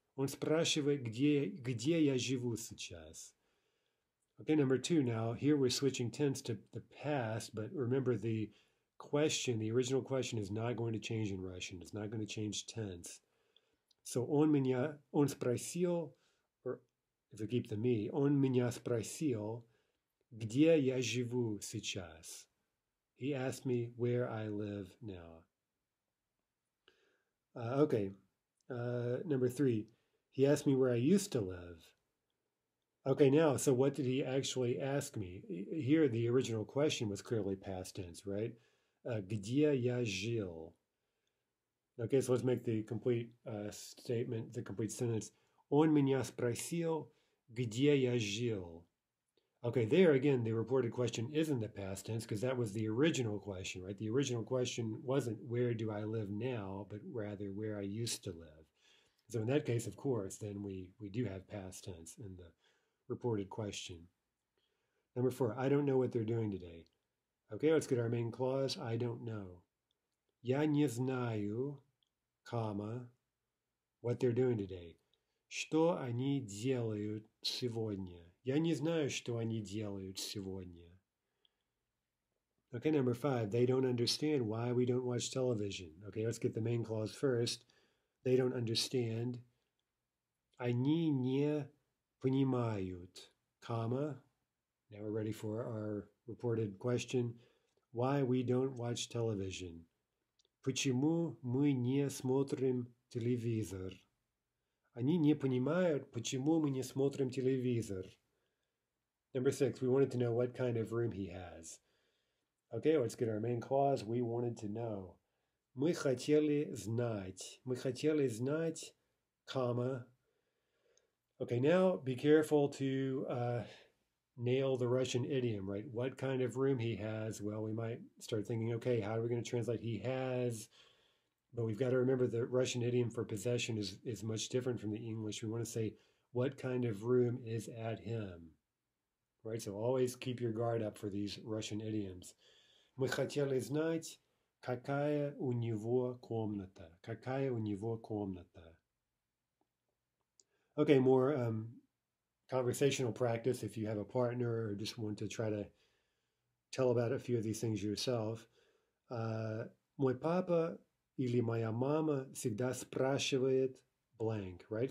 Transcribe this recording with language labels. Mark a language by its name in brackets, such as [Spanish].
[Russian] Он спрашивает, где я живу сейчас? [English] Okay, number two now. Here we're switching tense to the past, but remember the original question is not going to change in Russian. It's not going to change tense. So [Russian] он спросил, [English] or if we keep the me, [Russian] он меня спросил, где я живу сейчас? [English] He asked me where I live now. Number three, he asked me where I used to live. Okay, now, so what did he actually ask me? Here, the original question was clearly past tense, right? [Russian] Где я жил? [English] Okay, so let's make the complete statement, the complete sentence. [Russian] Он меня спросил, где я жил? [English] Okay, there again, the reported question isn't the past tense because that was the original question, right? The original question wasn't where do I live now, but rather where I used to live. So in that case, of course, then we do have past tense in the reported question. Number four, I don't know what they're doing today. Okay, let's get our main clause. I don't know. [Russian] Я не знаю, [English] comma, what they're doing today. [Russian] Что они делают сегодня? Я не знаю, что они делают сегодня. [English] Okay, number five. They don't understand why we don't watch television. Okay, let's get the main clause first. They don't understand. [Russian] Они не понимают, [English] comma. Now we're ready for our reported question. Why we don't watch television. [Russian] Почему мы не смотрим телевизор? Они не понимают, почему мы не смотрим телевизор. [English] Number six, we wanted to know what kind of room he has. Okay, let's get our main clause. We wanted to know. [Russian] Мы хотели знать, [English] comma. Okay, now be careful to nail the Russian idiom, right? What kind of room he has? Well, we might start thinking, okay, how are we going to translate he has? But we've got to remember the Russian idiom for possession is much different from the English. We want to say, what kind of room is at him? Right? So always keep your guard up for these Russian idioms. [Russian] Мы хотели знать, какая у него комната. Какая у него комната. [English] Okay, more conversational practice if you have a partner or just want to try to tell about a few of these things yourself. [Russian] Мой папа или моя мама всегда спрашивает [English] blank, right?